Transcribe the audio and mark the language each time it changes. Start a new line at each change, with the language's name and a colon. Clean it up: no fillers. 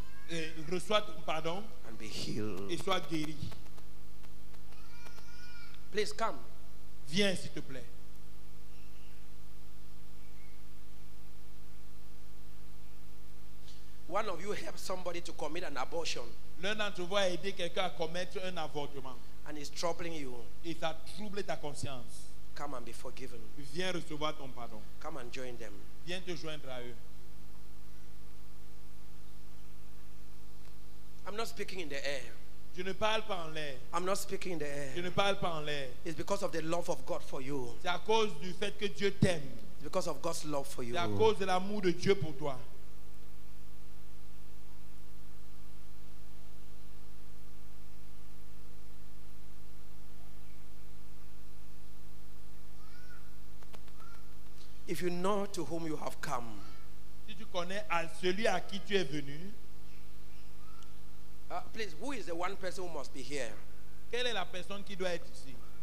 French: Et reçois ton pardon.
English: And be healed.
French: Et sois guéri.
English: Please come.
French: Viens, s'il te plaît.
English: One of you helped somebody to commit an abortion.
French: L'un d'entre vous a aidé quelqu'un à commettre un avortement.
English: And it's troubling you.
French: Et ça trouble ta conscience.
English: Come and be forgiven.
French: Viens recevoir ton pardon.
English: Come and join them.
French: Viens te joindre à eux.
English: I'm not speaking in the air.
French: Je ne parle pas en l'air.
English: I'm not speaking in the air.
French: Je ne parle pas en l'air.
English: It's because of the love of God for you.
French: C'est à cause du fait que Dieu t'aime.
English: It's because of God's love for you.
French: C'est à cause de l'amour de Dieu pour toi.
English: If you know to whom you have come,
French: si tu connais à celui à qui tu es venu,
English: please, who is the one person who must be here?
French: Quelle est la personne qui doit être ici?